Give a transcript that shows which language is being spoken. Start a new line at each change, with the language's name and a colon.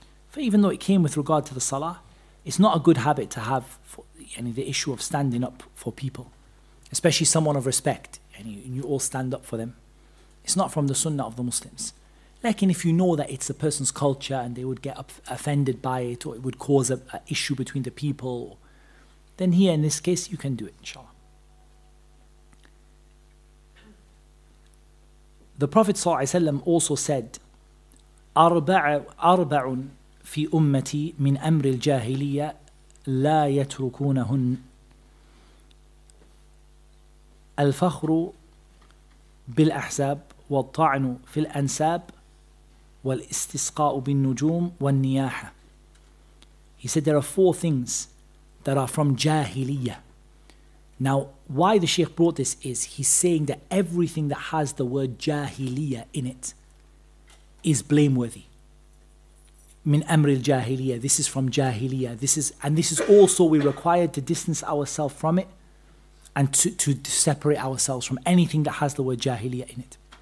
English: For even though it came with regard to the salah, it's not a good habit to have the issue of standing up for people, especially someone of respect, and you all stand up for them. It's not from the sunnah of the Muslims. Like, if you know that it's a person's culture and they would get offended by it, or it would cause an issue between the people, then here in this case you can do it, inshallah. The Prophet ﷺ also said,
Arabic: أَرْبَعٌ فِي أُمَّتِي مِنْ أَمْرِ الْجَاهِلِيَّةِ لَا يَتْرُكُونَهُنْ الْفَخْرُ بِالْأَحْزَابِ وَالطَّعْنُ فِي الْأَنْسَابِ والاستسقاء بالنجوم والنياحة.
English: He said there are four things that are from Jahiliyyah. Now, why the Shaykh brought this is, he's saying that everything that has the word Jahiliyyah in it is blameworthy.
Arabic: من أمر الجاهلية,
English: this is from Jahiliyyah. This is also, we required to distance ourselves from it and to separate ourselves from anything that has the word Jahiliyyah in it.